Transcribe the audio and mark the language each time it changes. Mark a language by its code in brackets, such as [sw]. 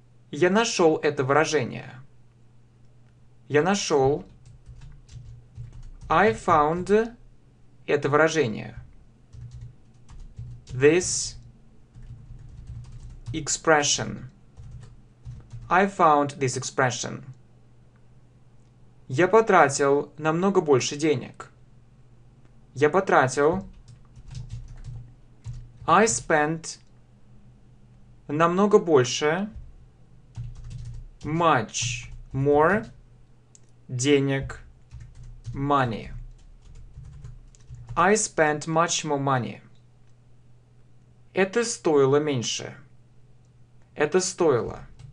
[ru] Я нашел это выражение. Я нашел. [en] I found [ru] это выражение. [en] This expression. I found this expression. [ru] Я потратил намного больше денег. Я потратил. [en] I spent [ru] намного больше. [en] Much more. Денег. Money. I spent much more money. [ru] Это стоило меньше. Это стоило.